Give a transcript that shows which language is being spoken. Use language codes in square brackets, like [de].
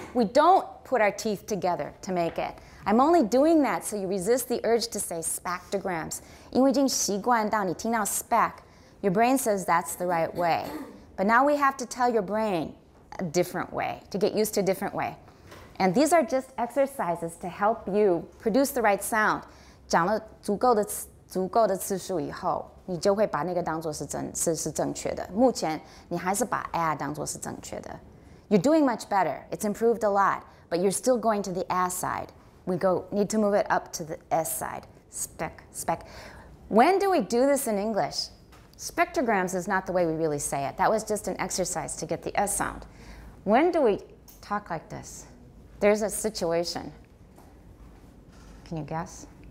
[en] We don't put our teeth together to make it. I'm only doing that so you resist the urge to say spectrograms. [zh] 因为已经习惯到你听到 [en] spec, your brain says that's the right way. But now we have to tell your brain a different way, to get used to a different way. And these are just exercises to help you produce the right sound. [zh] 讲了足够的次数以后,你就会把那个当作是正确的。目前,你还是把啊当作是正确的。 [en] You're doing much better. It's improved a lot. But you're still going to the a side. We go need to move it up to the s side. Spec, spec. When do we do this in English? Spectrograms is not the way we really say it. That was just an exercise to get the S sound. When do we talk like this? There's a situation. Can you guess?